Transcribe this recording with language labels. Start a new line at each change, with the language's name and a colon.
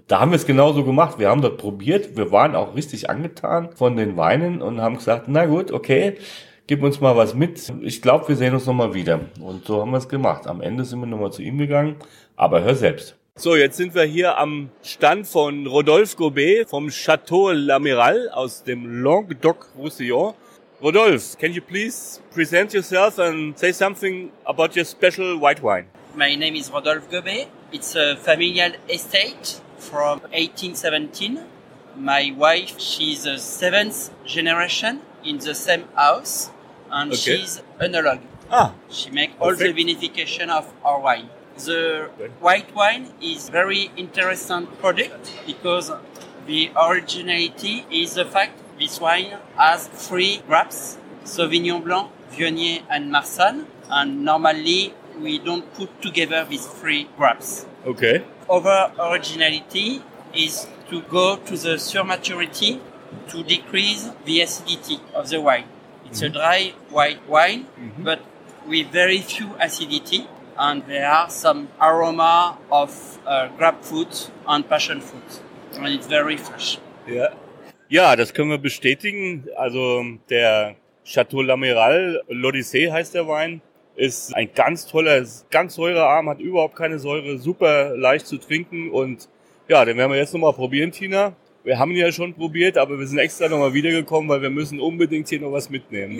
German: Da haben wir es genauso gemacht. Wir haben dort probiert. Wir waren auch richtig angetan von den Weinen und haben gesagt, na gut, okay, gib uns mal was mit. Ich glaube, wir sehen uns nochmal wieder. Und so haben wir es gemacht. Am Ende sind wir nochmal zu ihm gegangen. Aber hör selbst. So, jetzt sind wir hier am Stand von Rodolphe Gobet vom Château L'Amiral aus dem Languedoc-Roussillon.
English: Rodolphe, can you please present yourself and say something about your special white wine? My name is Rodolphe Gobet. It's a familial estate from 1817. My wife, she's a seventh generation in the same house and she's enologue. Ah, she makes all the vinification of our wine. The white wine is very interesting product because the originality is the fact this wine has 3 grapes Sauvignon Blanc, Viognier and Marsanne. And normally, we don't put together these three grapes. Okay. Our originality is to go to the surmaturity to decrease the acidity of the wine. It's a dry white wine, but with very few acidity. And there are some aroma of grapefruit and passion fruit. And it's very fresh.
German: Yeah. Ja, das können wir bestätigen. Also der Chateau L'Amiral, L'Odyssée heißt der Wein, ist ein ganz toller, ganz säurearm, hat überhaupt keine Säure, super leicht zu trinken. Und ja, den werden wir jetzt nochmal probieren, Tina. Wir haben ihn ja schon probiert, aber wir sind extra nochmal wiedergekommen, weil wir müssen unbedingt hier noch was mitnehmen.